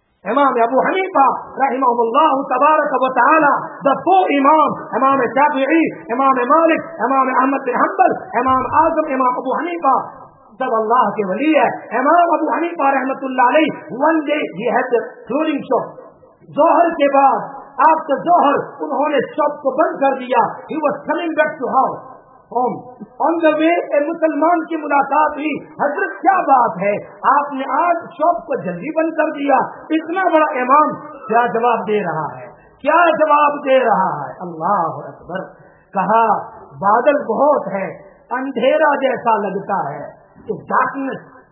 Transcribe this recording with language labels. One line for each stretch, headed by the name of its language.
Urdu: امام ابو حنیفہ رحمہ اللہ تبارک و تعالی,
English: the four امام,
Urdu: امام شافعی, امام مالک, امام احمد بن حنبل, امام اعظم, امام ابو حنیفہ سب اللہ کے ولی ہے. امام ابو حنیفہ رحمت اللہ علیہ
English: one day he had closing show,
Urdu: ظہر کے بعد آفٹر ظہر انہوں نے شاپ کو بند کر دیا.
English: He was coming back to house home. On the way a
Urdu: مسلمان کی ملاقات ہوئی. حضرت کیا بات ہے آپ نے آج شاپ کو جلدی بند کر دیا, اتنا بڑا امام کیا جواب دے رہا ہے, کیا جواب دے رہا ہے. اللہ اکبر. کہا بادل بہت ہے, اندھیرا جیسا لگتا ہے, تو ڈارکنس.